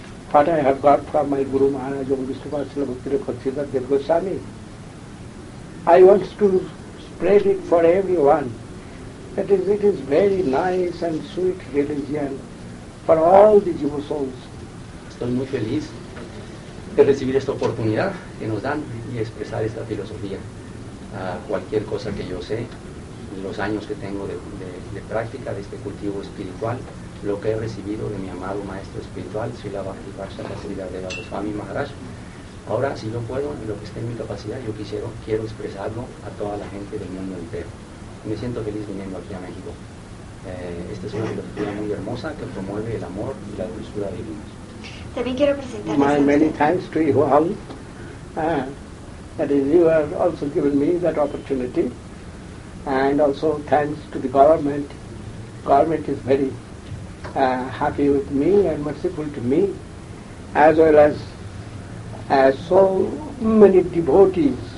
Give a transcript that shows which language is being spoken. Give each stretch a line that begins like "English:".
English: What I have got from my Guru Maharaj, Om Vishnu Vasila Bhaktira Khatsidhar Dev Goswami, I want to spread it for everyone. It is very nice and sweet religion for all the Jew souls.
Spanish: Estoy muy feliz de recibir esta oportunidad que nos dan y expresar esta filosofía. Cualquier cosa que yo sé, los años que tengo de práctica de este cultivo espiritual, lo que he recibido de mi amado maestro espiritual, Srila Bhaktivinoda Siddhartha Goswami Maharaj. Ahora, si yo puedo, en lo que esté en mi capacidad, yo quiero expresarlo a toda la gente del mundo entero. Me siento feliz viniendo aquí a México. Esta es una filosofía muy hermosa que promueve el amor y la dulzura divina. También quiero presentar
English: my many thanks to you all. That is, you have also given me that opportunity, and also thanks to the government. Government is very happy with me and merciful to me, as well as so many devotees.